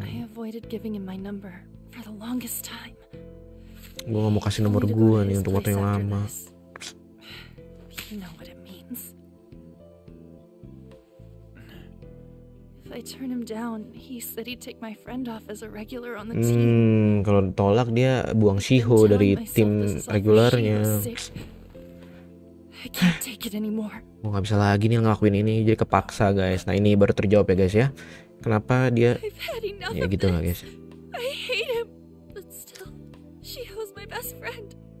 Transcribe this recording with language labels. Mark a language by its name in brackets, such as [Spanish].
[English] I avoided giving him my number for the longest time. [Indonesian] Gua nggak mau kasih nomor gua nih untuk waktu yang lama. [English] You know what it means. If I turn him down, he said he'd take my friend off as a regular on the team. [Indonesian] Kalau tolak dia buang Shiho dari tim regularnya. [English] I can't take it anymore. [Indonesian] Gua nggak bisa lagi nih ngelakuin ini, jadi kepaksa, guys. Nah, ini baru terjawab, ya guys, ya. Kenapa dia? Ya gitu lah, guys. [English] I hate him, but still, Shiho's my best friend.